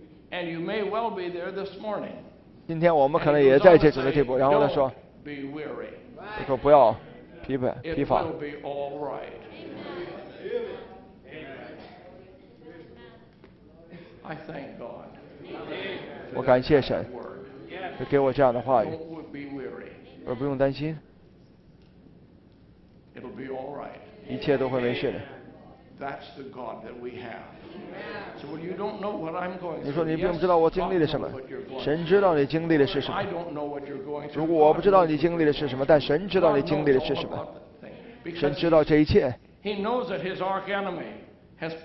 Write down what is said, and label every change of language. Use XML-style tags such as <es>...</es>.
<en>And you may well be there this morning.</en> <zh>今天我们可能也在这种地步, 然后他说,</zh> <en>Be weary.</en> <zh>他说不要疲惫,</zh> <en>it</en> <zh>疲乏,</zh> <en>will be all right. Amen. I thank God. Amen.</en> <zh>我感谢神, 给我这样的话语, 而不用担心,</zh> <en>it will be all right.</en> <zh>一切都会没事的。</zh> <en>That's the God that we have. So when you don't know what I'm going through,</en> <zh>你说你并不知道我经历了什么, 神知道你经历的是什么,</zh> <en>I don't know what you're going through,</en> <zh>如果我不知道你经历的是什么, 但神知道你经历的是什么, 神知道这一切,</zh> <en>He knows that his arch enemy has permeated,</en>